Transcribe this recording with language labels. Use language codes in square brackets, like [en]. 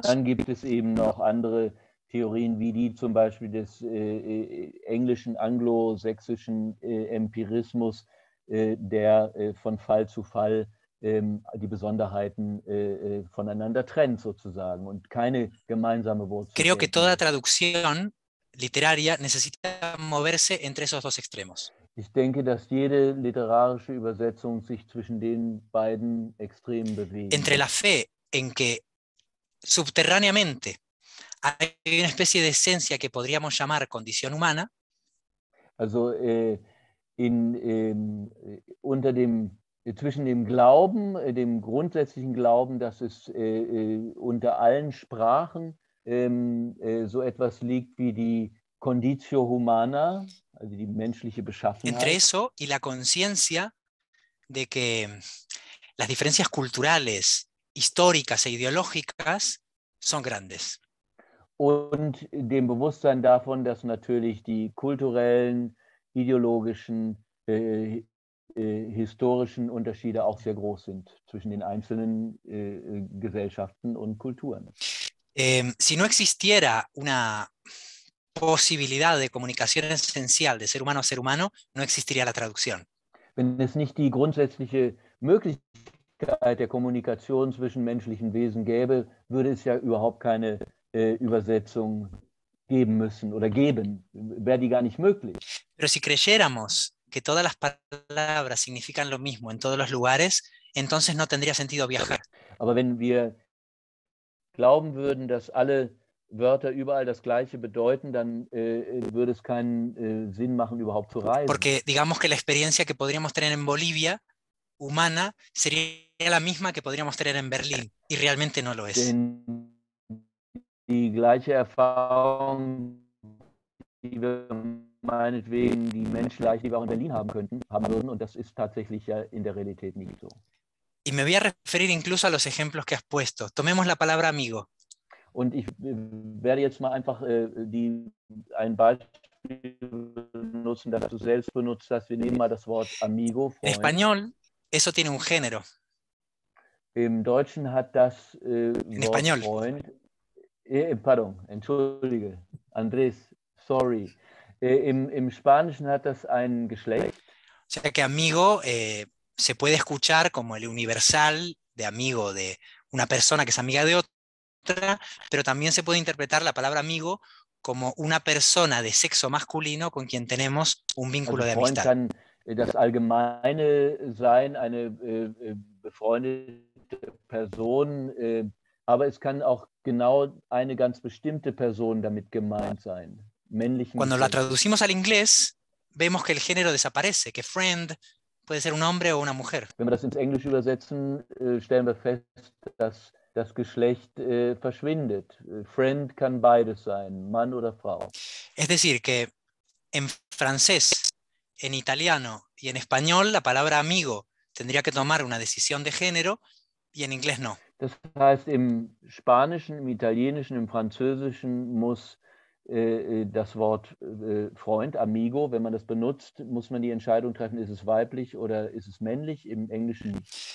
[de] Dann gibt es eben noch andere Theorien, wie die zum Beispiel des englischen, anglo-sächsischen Empirismus, der von Fall zu Fall die Besonderheiten voneinander trennt sozusagen und keine gemeinsame Wurzel. [es] Creo que toda traducción literaria necesita moverse entre esos dos extremos. [de] Ich denke, dass jede literarische Übersetzung sich zwischen den beiden Extremen bewegt. [es] Entre la fe en que subterráneamente hay una especie de esencia que podríamos llamar condición humana. [de] Also unter dem zwischen dem Glauben, dem grundsätzlichen Glauben, dass es unter allen Sprachen so etwas liegt wie die Conditio humana, also die menschliche Beschaffenheit. [es] Entre eso y la conciencia de que las diferencias culturales, históricas e ideológicas son grandes. [de] Und dem Bewusstsein davon, dass natürlich die kulturellen, ideologischen, historischen Unterschiede auch sehr groß sind zwischen den einzelnen Gesellschaften und Kulturen. [es] Si no existiera una posibilidad de comunicación esencial de ser humano a ser humano, no existiría la traducción. [de] Wenn es nicht die grundsätzliche Möglichkeit der Kommunikation zwischen menschlichen Wesen gäbe, würde es ja überhaupt keine Übersetzung geben müssen oder geben. Wäre die gar nicht möglich. [es] Pero si creyéramos que todas las palabras significan lo mismo en todos los lugares, entonces no tendría sentido viajar. [de] Aber wenn wir glauben würden, dass alle Wörter überall das Gleiche bedeuten, dann würde es keinen Sinn machen, überhaupt zu reisen. [es] Porque digamos que la experiencia que podríamos tener en Bolivia, humana, sería la misma que podríamos tener en Berlín, y realmente no lo es. [de] Denn die gleiche Erfahrung, die wir meinetwegen die Menschen gleich, die wir auch in Berlin haben könnten, haben würden, und das ist tatsächlich ja in der Realität nicht so. [es] Y me voy a referir incluso a los ejemplos que has puesto. Tomemos la palabra amigo. [de] Und ich werde jetzt mal einfach ein Beispiel benutzen, das du selbst benutzt hast. Wir nehmen mal das Wort amigo. Freund. [es] En español, eso tiene un género. [de] Im Deutschen hat das Wort [es] español. [de] Freund. Pardon, entschuldige. Andrés, sorry. Im Spanischen hat das ein Geschlecht. [es] O sea que amigo se puede escuchar como el universal de amigo de una persona que es amiga de otra. Pero también se puede interpretar la palabra amigo como una persona de sexo masculino con quien tenemos un vínculo de amistad. [de] Freund kann das Allgemeine sein, eine befreundete Person, aber es kann auch genau eine ganz bestimmte Person damit gemeint sein. Männlichen [es] Cuando la traducimos al inglés, vemos que el género desaparece, que friend puede ser un hombre o una mujer. [de] Wenn wir das ins Englische übersetzen, stellen wir fest, dass das Geschlecht verschwindet. Friend kann beides sein, Mann oder Frau. [es] Es decir, que en francés, en italiano y en español la palabra amigo tendría que tomar una decisión de género y en inglés no. [de] Das heißt, im Spanischen, im Italienischen, im Französischen muss das Wort Freund, amigo, wenn man das benutzt, muss man die Entscheidung treffen, ist es weiblich oder ist es männlich, im Englischen nicht.